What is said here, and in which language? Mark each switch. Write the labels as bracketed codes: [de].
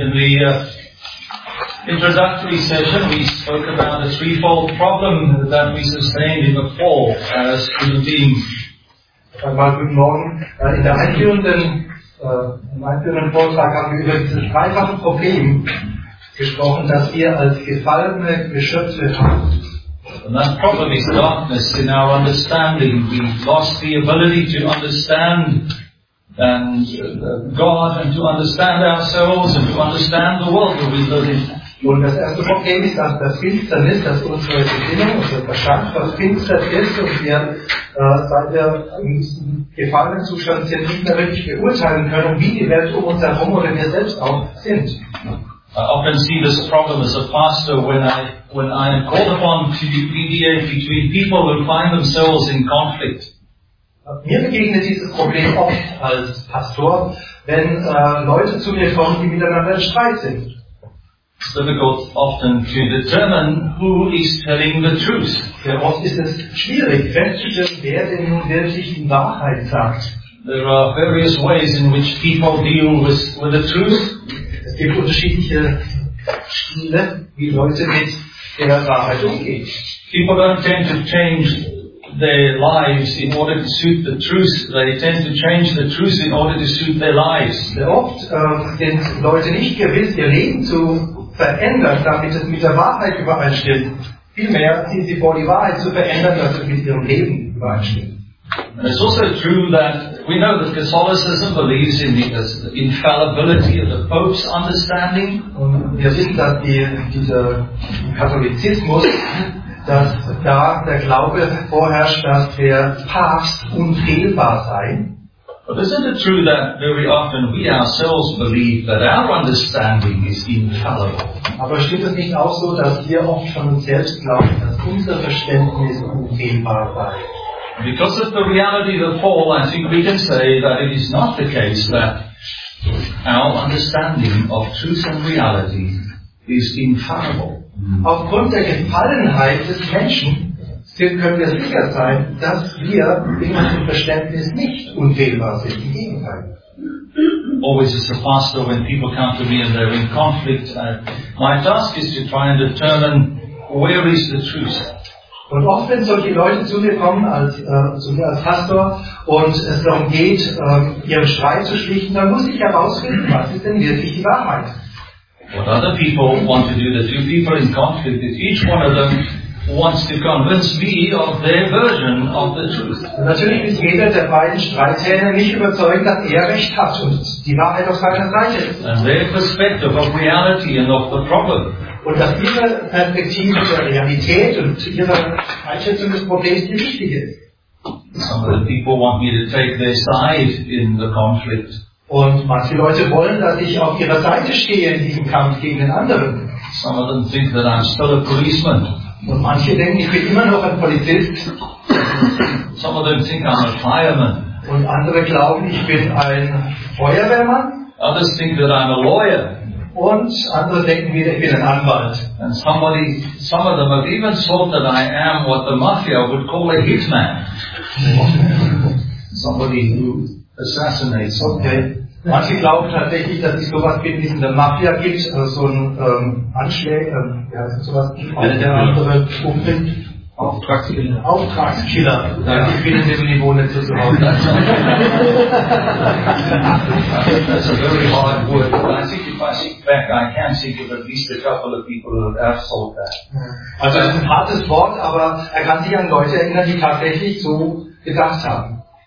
[en] In the introductory session, we spoke about the threefold problem that we sustained in the fall as human beings. [de] Einmal guten Morgen. In der einführenden Vortrag haben wir über dieses dreifache Problem gesprochen, das wir als gefallene Geschöpfe haben. [en] And that problem is darkness in our understanding. We've lost the ability to understand and God and to understand ourselves and to understand the world that we live in. [de] Und das erste Problem ist, dass das Finsternis, das unsere Sinnung, unser Verstand verfinstert ist und wir, seit wir in diesem gefallenen Zustand sind, nicht mehr wirklich beurteilen können, wie die Welt um uns herum oder wir selbst auch sind. [en] I often see this problem as a pastor when I am called upon to mediate between people who find themselves in conflict. [de] Mir begegnet dieses Problem oft als Pastor, wenn Leute zu mir kommen, die miteinander in Streit sind. [en] It's difficult often to determine who is telling the truth. [de] Sehr oft ist es schwierig festzustellen, wer denn nun wirklich die Wahrheit sagt. [en] There are various ways in which people deal with the truth. [de] Es gibt unterschiedliche Stile, wie Leute mit der Wahrheit umgehen. [en] People don't tend to change their lives in order to suit the truth. They tend to change the truth in order to suit their lives. [de] Sehr oft sind Leute nicht gewiss, ihr Leben zu verändern, damit es mit der Wahrheit übereinstimmt. Vielmehr ziehen sie vor, die Wahrheit zu verändern, damit es mit ihrem Leben übereinstimmt. [en] And it's also true that we know that Catholicism believes in the infallibility of the Pope's understanding. [de] Und wir wissen, dass dieser Katholizismus, dass da der Glaube vorherrscht, dass der Papst unfehlbar sei. [en] But isn't it true that very often we ourselves believe that our understanding is infallible? [de] Aber stimmt es nicht auch so, dass wir oft von uns selbst glauben, dass unser Verständnis unfehlbar sei? [en] Because of the reality of the fall, I think we can say that it is not the case that our understanding of truth and reality is infallible. [de] Aufgrund der Gefallenheit des Menschen können wir sicher sein, dass wir in unserem Verständnis nicht unfehlbar sind. Im Gegenteil. [en] Always as a pastor, when people come to me and they're in conflict, my task is to try and determine where is the truth. [de] Und oft, wenn solche Leute zu mir kommen, als Pastor, und es darum geht, ihren Streit zu schlichten, dann muss ich herausfinden, was ist denn wirklich die Wahrheit. [en] What other people want to do, the two people in conflict, is each one of them wants to convince me of their version of the truth. [de] Natürlich ist jeder der beiden Streithähne nicht überzeugt, dass er recht hat und die Wahrheit auf seiner Seite ist. [en] And their perspective of reality and of the problem. [de] Und dass ihre Perspektive der Realität und ihre Einschätzung des Problems die richtige ist. [en] Some of the people want me to take their side in the conflict. [de] Und manche Leute wollen, dass ich auf ihrer Seite stehe in diesem Kampf gegen den anderen. [en] Some of them think that I'm still a policeman. [de] Und manche denken, ich bin immer noch ein Polizist. [en] Some of them think I'm a fireman. [de] Und andere glauben, ich bin ein Feuerwehrmann. [en] Others think that I'm a lawyer. [de] Und andere denken wieder, ich bin ein Anwalt. [en] And some of them have even thought that I am what the mafia would call a hitman. Somebody who assassinates. Okay. [de] Manche glauben tatsächlich, dass es sowas gibt, wie es in der Mafia gibt, so also ein Anschlag, sowas, der andere umbringt. Auftragskiller. Ja. Ich bin in dem Niveau nicht so zu Hause. [en] That's a very hard word. But I think if I think back, I can think of at least a couple of people who have thought that. [de] Also, es ist ein hartes Wort, aber er kann sich an Leute erinnern, die tatsächlich so gedacht haben.